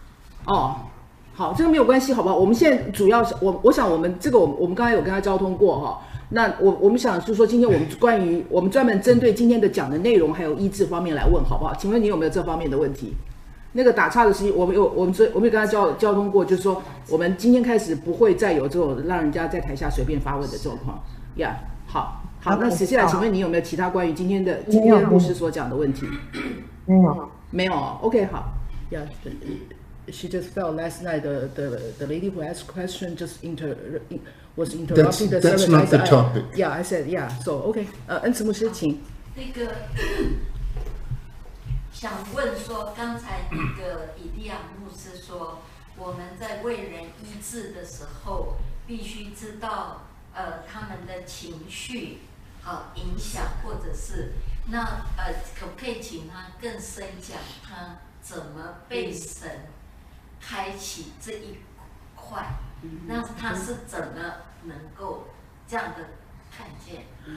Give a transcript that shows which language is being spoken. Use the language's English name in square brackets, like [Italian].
[Chinese] 、哦、好，这个没有关系，好不好？我们现在主要是 我想我们这个我们刚才有跟他交通过、哦、那我们想是说今天我们专门针对今天的讲的内容还有医治方面来问，好不好？请问你有没有这方面的问题？那个打岔的事情我们跟他交通过，就是说我们今天开始不会再有这种让人家在台下随便发问的状况。 yeah, 好好，那史西亚，请问你有没有其他关于今天的故事所讲的问题？没有。 OK, 好。 [English] Yeah, she just felt last night the lady who asked question just was interrupting the service. That's not the topic. I said, yeah, so, OK. [Chinese] 恩慈牧师，请。那个，想问说，刚才那个以利亚牧师说，我们在为人医治的时候，必须知道他们的情绪影响，或者是那可不可以请他更深讲他怎么被神开启这一块，那他是怎么能够这样的看见？